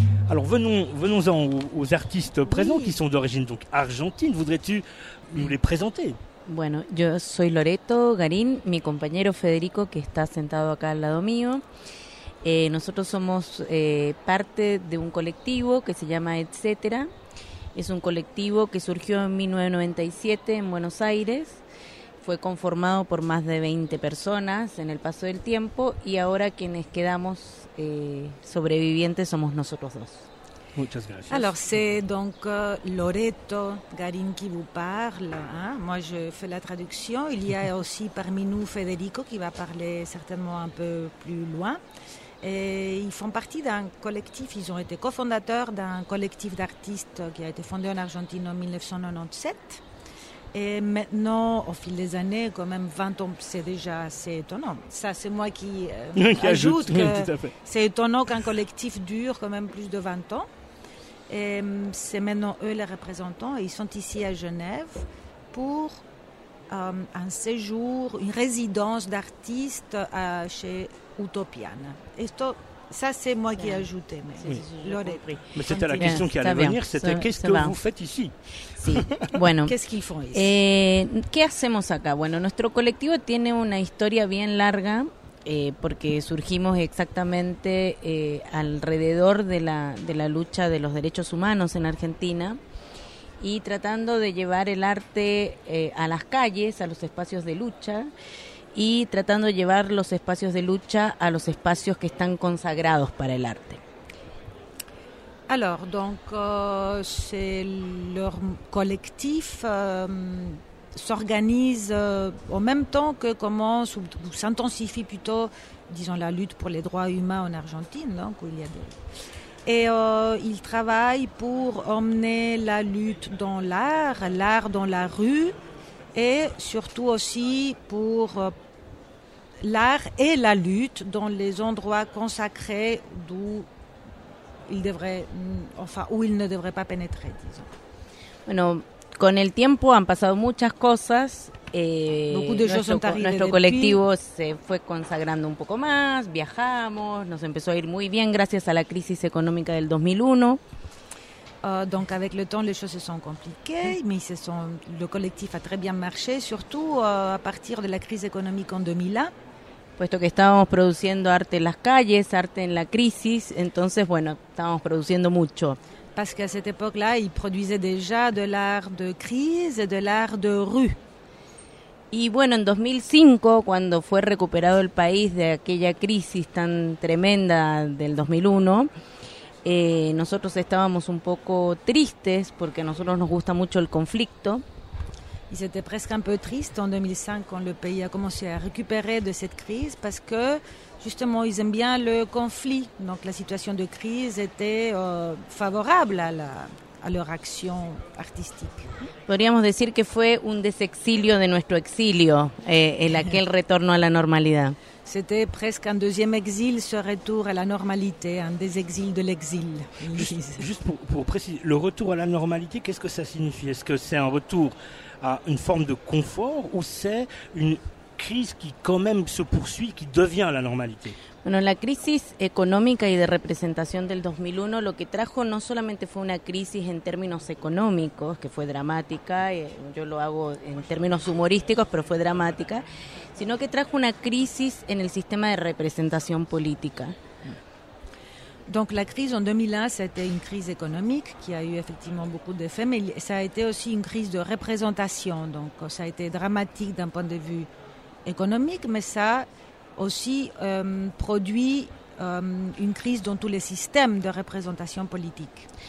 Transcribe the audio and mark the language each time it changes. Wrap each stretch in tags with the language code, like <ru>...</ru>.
<fr>Alors venons-en aux artistes présents, oui, qui sont d'origine donc argentine. Voudrais-tu nous les présenter?</fr> <es>Bueno, yo soy Loreto Garín, mi compañero Federico, que está sentado acá al lado mío. Nosotros somos parte de un colectivo que se llama Etcétera. Es un colectivo que surgió en 1997 en Buenos Aires. Fue conformado por más de 20 personas en el paso del tiempo y ahora quienes quedamos sobrevivientes somos nosotros dos. Muchas gracias.</es> <fr>Alors c'est donc Loreto Garín qui vous parle, hein? Moi je fais la traduction, il y a aussi parmi nous Federico qui va parler certainement un peu plus loin. Et ils font partie d'un collectif, ils ont été cofondateurs d'un collectif d'artistes qui a été fondé en Argentine en 1997. Et maintenant, au fil des années, quand même 20 ans, c'est déjà assez étonnant. Ça, c'est moi qui ajoute que c'est étonnant qu'un collectif dure quand même plus de 20 ans. Et c'est maintenant eux les représentants. Ils sont ici à Genève pour un séjour, une résidence d'artistes chez Utopian. Ça, c'est moi qui ai ajouté, mais l'aurais pris. Mais c'était la question qui allait venir, c'était qu'est-ce que vous faites ici?</fr> <es>Bueno,</es> <fr>qu'est-ce qu'ils font ici?</fr> <es>¿Qué hacemos acá? Bueno, nuestro colectivo tiene una historia bien larga, porque surgimos exactamente alrededor de la lucha de los derechos humanos en Argentina y tratando de llevar el arte a las calles, a los espacios de lucha, y tratando de llevar los espacios de lucha a los espacios que están consagrados para el arte.</es> <fr>Alors, donc, c'est leur collectif s'organise en même temps que commence ou s'intensifie plutôt, disons, la lutte pour les droits humains en Argentine, donc où il y a des... Et ils travaillent pour emmener la lutte dans l'art, l'art dans la rue, et surtout aussi pour l'art et la lutte dans les endroits consacrés d'où ils devraient, enfin, où ils ne devraient pas pénétrer, disons.</fr> <es>Bueno, con el tiempo han pasado muchas cosas.</es> <fr>Beaucoup de choses sont arrivées.</fr> <es>Nuestro colectivo se fue consagrando un poco más, viajamos, nos empezó a ir muy bien gracias a la crisis económica del 2001.</es> <fr>Donc avec le temps, les choses se sont compliquées, mais le collectif a très bien marché, surtout à partir de la crise économique en 2001.</fr> <es>Puesto que estábamos produciendo arte en las calles, arte en la crisis, entonces, bueno, estábamos produciendo mucho.</es> <fr>Parce qu'à cette époque-là, ils produisaient déjà de l'art de crise et de l'art de rue.</fr> <es>Y bueno, en 2005, cuando fue recuperado el país de aquella crisis tan tremenda del 2001, nosotros estábamos un poco tristes porque a nosotros nos gusta mucho el conflicto.</es> <fr>Ils étaient presque un peu tristes en 2005 quand le pays a commencé à récupérer de cette crise parce que justement ils aiment bien le conflit. Donc la situation de crise était favorable à leur action artistique.</fr> <es>Podríamos decir que fue un desexilio de nuestro exilio, el aquel retorno a la normalidad.</es> <fr>C'était presque un deuxième exil, ce retour à la normalité, un des exils de l'exil. Juste pour préciser, le retour à la normalité, qu'est-ce que ça signifie? Est-ce que c'est un retour à une forme de confort ou c'est une crise qui quand même se poursuit, qui devient la normalité?</fr> <es>Bueno, la crisis económica y de representación del 2001 lo que trajo no solamente fue una crisis en términos económicos, que fue dramática, yo lo hago en términos humorísticos, pero fue dramática, sino que trajo una crisis en el sistema de representación política.</es> <fr>Donc la crise en 2001, c'était une crise économique qui a eu effectivement beaucoup d'effets, mais ça a été aussi une crise de représentation, donc ça a été dramatique d'un point de vue économique, mais ça aussi produit une crise dans tous les systèmes de représentation politique.</fr>